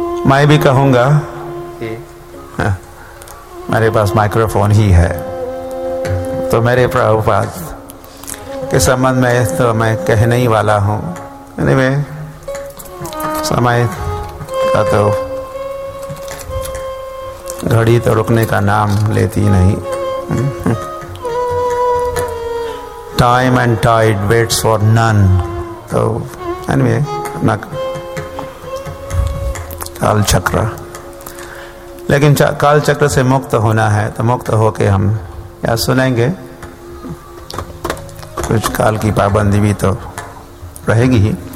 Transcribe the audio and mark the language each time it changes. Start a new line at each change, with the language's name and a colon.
Hindi: मैं भी कहूंगा मेरे पास माइक्रोफोन ही है, तो मेरे प्रभुपाद के संबंध में तो मैं कहने ही वाला हूँ. मैं समय का तो घड़ी तो रुकने का नाम लेती नहीं.
English: Time and tide waits for none. So, anyway, काल चक्र.
Hindi: लेकिन काल चक्र से मुक्त होना है तो मुक्त होके हम या सुनेंगे, कुछ काल की पाबंदी भी तो रहेगी ही.